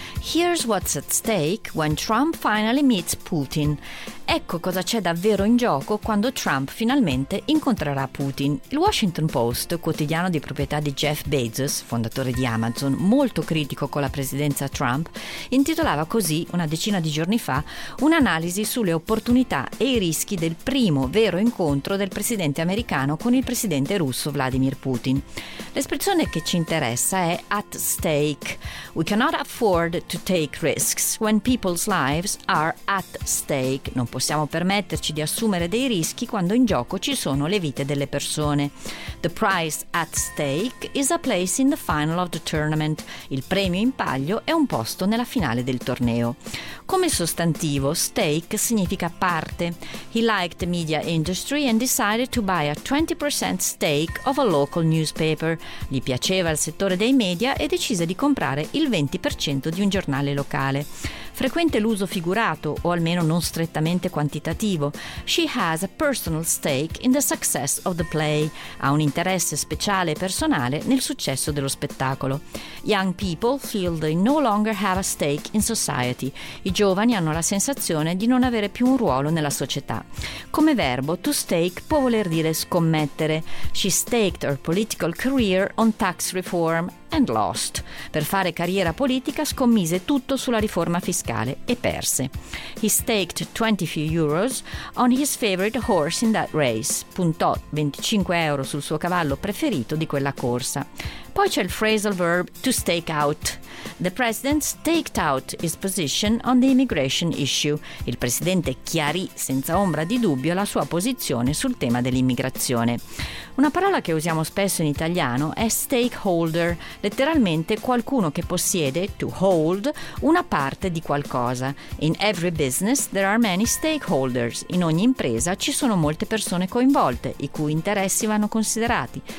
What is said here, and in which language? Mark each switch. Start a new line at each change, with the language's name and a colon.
English: Here's what's at stake when Trump finally meets Putin.
Italian: Ecco cosa c'è davvero in gioco quando Trump finalmente incontrerà Putin. Il Washington Post, quotidiano di proprietà di Jeff Bezos, fondatore di Amazon, molto critico con la presidenza Trump, intitolava così, una decina di giorni fa, un'analisi sulle opportunità e i rischi del primo vero incontro del presidente americano con il presidente russo Vladimir Putin. L'espressione che ci interessa è
English: at stake. We cannot afford to take risks when people's lives are at stake.
Italian: Non possiamo permetterci di assumere dei rischi quando in gioco ci sono le vite delle persone.
English: The prize at stake is a place in the final of the tournament.
Italian: Il premio in palio è un posto nella finale del torneo. Come sostantivo, stake significa parte.
English: He liked the media industry and decided to buy a 20% stake of a local newspaper.
Italian: Gli piaceva il settore dei media e decise di comprare il 20% di un giornale locale. Frequente l'uso figurato, o almeno non strettamente quantitativo.
English: She has a personal stake in the success of the play.
Italian: Ha un interesse speciale e personale nel successo dello spettacolo.
English: Young people feel they no longer have a stake in society.
Italian: I giovani hanno la sensazione di non avere più un ruolo nella società. Come verbo, to stake può voler dire scommettere.
English: She staked her political career on tax reform and lost.
Italian: Per fare carriera politica scommise tutto sulla riforma fiscale e perse.
English: He staked 25 euros on his favorite horse in that race.
Italian: Puntò 25 euro sul suo cavallo preferito di quella corsa. Poi c'è il phrasal verb to stake out.
English: The president staked out his position on the immigration issue.
Italian: Il presidente chiarì senza ombra di dubbio la sua posizione sul tema dell'immigrazione. Una parola che usiamo spesso in italiano è stakeholder, letteralmente qualcuno che possiede, to hold, una parte di qualcosa.
English: In every business there are many stakeholders.
Italian: In ogni impresa ci sono molte persone coinvolte, i cui interessi vanno considerati.